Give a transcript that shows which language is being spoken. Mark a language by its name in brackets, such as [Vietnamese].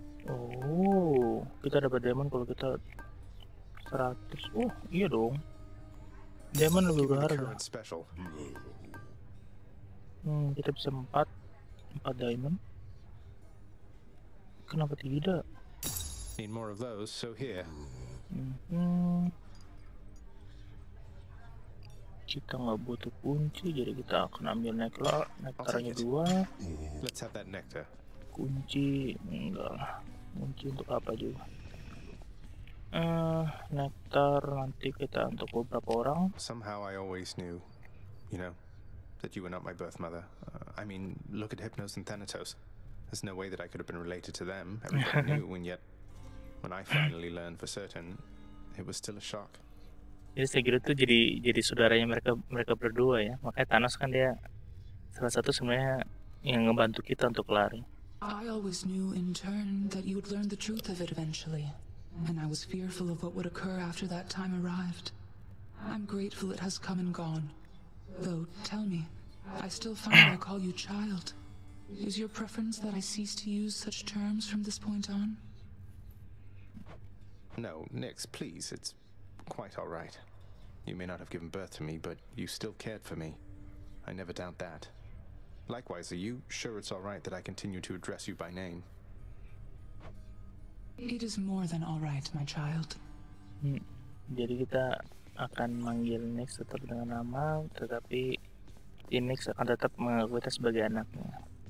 [Indonesian] Oh, kita dapat diamond kalau kita 100. Oh, iya dong. Diamond lebih berharga. Kita bisa 4. 4 diamond. Kenapa tidak? [English] Need more of those, so here. [Indonesian] Kita nggak butuh kunci, jadi kita akan ambil nektarnya dua. [English] Let's have that nectar. [Indonesian] Kunci enggak lah. Kunci untuk apa juga? Nektar nanti kita untuk beberapa orang. [English] Somehow I always knew, you know, that you were not my birth mother. I mean, look at Hypnos and Thanatos. There's no way that I could have been related to them. Everybody knew, and yet, when I finally learned for certain, it was still a shock. [Indonesian] Jadi segitu tuh jadi saudaranya mereka berdua ya. Makanya Thanos kan dia salah satu sebenarnya yang ngebantu kita untuk lari. [English] I always knew in turn that you would learn the truth of it eventually, and I was fearful of what would occur after that time arrived. I'm grateful it has come and gone. Though, tell me, I still find I call you child. Is your preference that I cease to use such terms from this point on? No, Nix, please, it's quite all right. You may not have given birth to me, but you still cared for me. I never doubt that. Likewise, are you sure it's all right that I continue to address you by name? It is more than all right, my child. [Indonesian] Jadi kita akan manggil Nix tetap dengan nama, tetapi Nix akan tetap mengakui kita sebagai anaknya.